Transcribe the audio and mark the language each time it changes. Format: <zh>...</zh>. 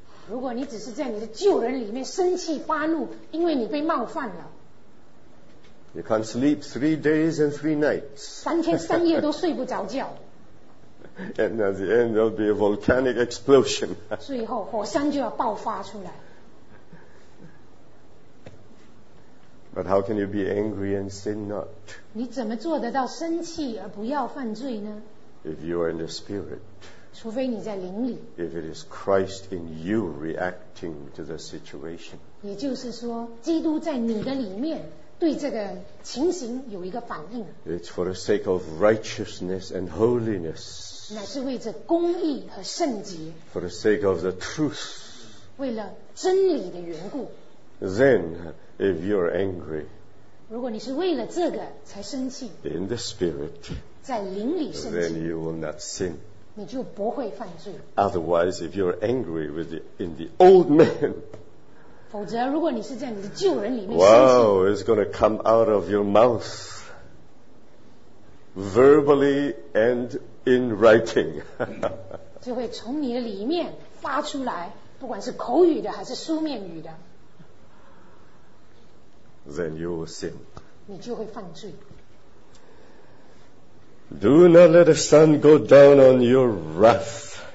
<zh>如果你只是在你的旧人里面生气发怒，因为你被冒犯了。</zh> <en>You can't sleep 3 days and 3 nights.</en> <zh>3天3夜都睡不着觉。</zh> <en>And at the end, there'll be a volcanic explosion.</en> <zh>最后火山就要爆发出来。</zh> <en>But how can you be angry and sin not?</en> <zh>你怎么做得到生气而不要犯罪呢？</zh> <en>If you are in the spirit.</en> <zh>除非你在灵里。</zh> <en>If it is Christ in you reacting to the situation.</en> <zh>也就是说，基督在你的里面对这个情形有一个反应。</zh> <en>It's for the sake of righteousness and holiness.</en> <zh>乃是为着公义和圣洁。</zh> <en>For the sake of the truth.</en> <zh>为了真理的缘故。</zh> <en>Then, if you're angry,</en> <zh>如果你是为了这个才生气</zh> <en>in the spirit,</en> <zh>在灵里生气</zh> <en>then you will not sin.</en> <zh>你就不会犯罪</zh> <en>Otherwise, if you're angry with the, in the old man,</en> <zh>否则如果你是在你的旧人里面生气</zh> <en>Wow, it's going to come out of your mouth, verbally and in writing.</en> <zh>就会从你的里面发出来，不管是口语的还是书面语的。</zh> <en>Then you will sin.</en> <zh>你就会犯罪。</zh> <en>Do not let the sun go down on your wrath.</en>